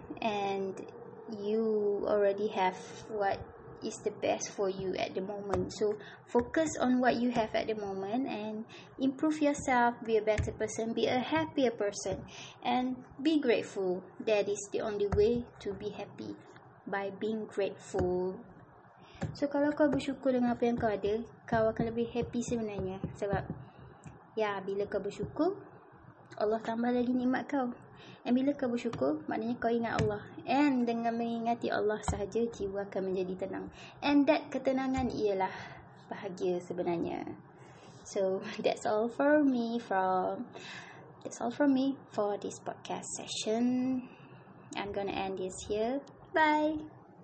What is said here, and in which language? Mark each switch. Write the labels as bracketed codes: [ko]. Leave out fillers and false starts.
[en] And you already have what is the best for you at the moment. So, focus on what you have at the moment and improve yourself, be a better person, be a happier person. And be grateful. That is the only way to be happy, by being grateful. [ms] So, kalau kau bersyukur dengan apa yang kau ada, kau akan lebih happy sebenarnya. Sebab, ya, bila kau bersyukur, Allah tambah lagi nikmat kau. And bila kau bersyukur, maknanya kau ingat Allah. And dengan mengingati Allah sahaja, jiwa akan menjadi tenang. [en] And that [ms] ketenangan ialah bahagia sebenarnya. [en] So, that's all from me for this podcast session. I'm gonna end this here. Bye!